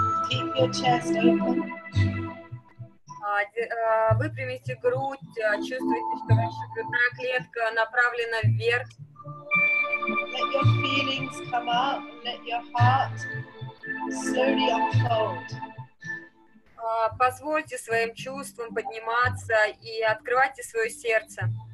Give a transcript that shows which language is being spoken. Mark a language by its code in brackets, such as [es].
[en] your chest open. [ru] Выпрямите грудь, чувствуйте, что ваша грудная клетка направлена вверх. [en] Let your feelings come up, let your heart slowly unfold. [ru] Позвольте своим чувствам подниматься и открывайте свое сердце.